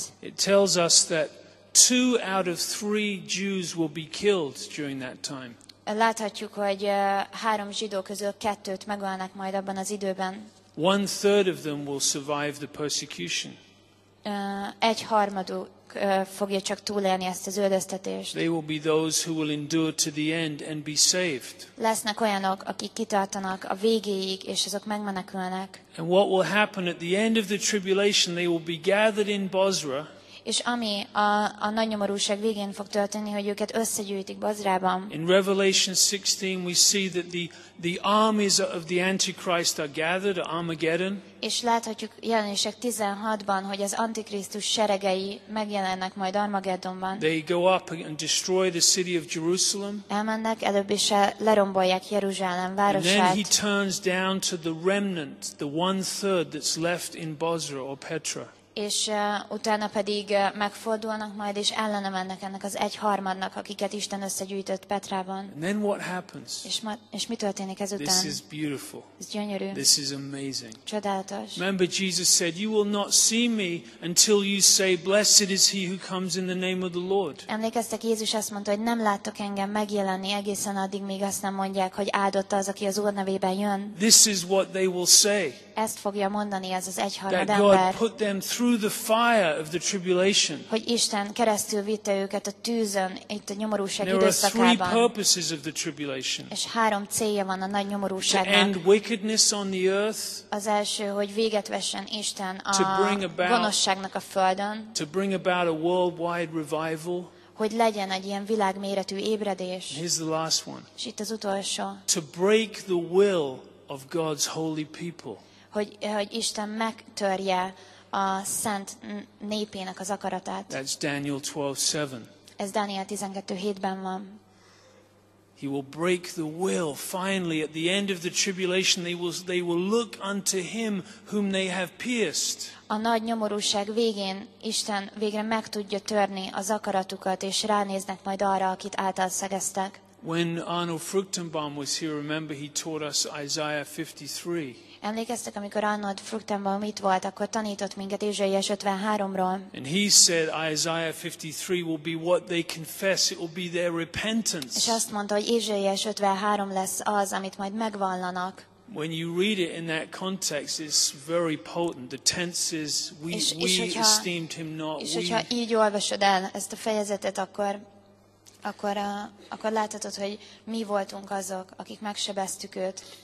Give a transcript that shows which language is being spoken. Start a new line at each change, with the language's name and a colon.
English: it tells us that 2 out of 3 Jews will be killed during that time.
Hungarian: Láthatjuk, hogy 3 zsidó közül 2-t megölnek majd abban az időben.
English: 1/3 of them will survive the persecution.
Hungarian: 1/3 fogja csak túlélni ezt az üldöztetést.
English: They will be those who will endure to the end and be saved.
Hungarian: Lesznek olyanok, akik kitartanak a végéig, és azok megmenekülnek.
English: And what will happen at the end of the tribulation, they will be gathered in Bozra.
Hungarian: És ami a nagy nyomorúság végén fog történni, hogy őket összegyűjtik Bozrában.
English: In Revelation 16 we see that the armies of the Antichrist are gathered at Armageddon.
Hungarian: És láthatjuk Jelenések 16-ban, hogy az Antikrisztus seregei megjelennek majd Armageddonban.
English: They go up and destroy the city of Jerusalem.
Hungarian: Elmennek, előbb is lerombolják Jeruzsálem városát.
English: And then he turns down to the remnant, the 1/3 that's left in Bozra or Petra.
Hungarian: És utána pedig megfordulnak majd, és ellene mennek ennek az egyharmadnak, akiket Isten összegyűjtött Petrában.
English: And then what happens?
Hungarian: És mi történik ezután?
English: This is beautiful.
Hungarian: Ez gyönyörű.
English: This is amazing.
Hungarian: Csodálatos.
English: Remember Jesus said, you will not see me until you say, blessed is he who comes in the name of the Lord.
Hungarian: Emlékeztek, Jézus azt mondta, hogy nem láttok engem megjelenni egészen addig, míg azt nem mondják, hogy áldott az, aki az Úr nevében jön.
English: This is what they will say.
Hungarian: Ezt fogja mondani ez az egyharmad ember.
English: That God put them through the fire of the tribulation.
Hungarian: Hogy Isten keresztül vitte őket a tűzön, itt a nyomorúság időszakában.
English: There are three purposes of the tribulation.
Hungarian: És három célja van a nagy nyomorúságnak.
English: To end wickedness on the earth.
Hungarian: Az első, hogy véget vessen Isten a gonoszságnak a földön.
English: To bring about a worldwide revival.
Hungarian: Hogy legyen egy ilyen világméretű ébredés.
English: Here's the last one.
Hungarian: És itt az utolsó.
English: To break the will of God's holy people.
Hungarian: Hogy Isten megtörje a szent népének az akaratát.
English: That's Daniel 12:7.
Hungarian: Ez Dániel 12:7-ben van.
English: He will break the will finally at the end of the tribulation they will look unto him whom they have pierced.
Hungarian: A nagy nyomorúság végén Isten végre meg tudja törni az akaratukat és ránéznek majd arra, akit által szegeztek.
English: When Arnold Fruchtenbaum was here, remember he taught us Isaiah 53.
Hungarian: Emlékeztek, amikor Arnold Fruchtenbaum itt volt, akkor tanított minket Ézsaiás 53-ról.
English: And he said Isaiah 53 will be what they confess, it will be their repentance.
Hungarian: És azt mondta, hogy Ézsaiás 53 lesz az, amit majd megvallanak.
English: When you read it in that context, it's very potent. The tense is we esteemed him not.
Hungarian: És hogyha így olvasod el ezt a fejezetet, akkor láthatod, hogy mi voltunk azok, akik megsebeztük őt.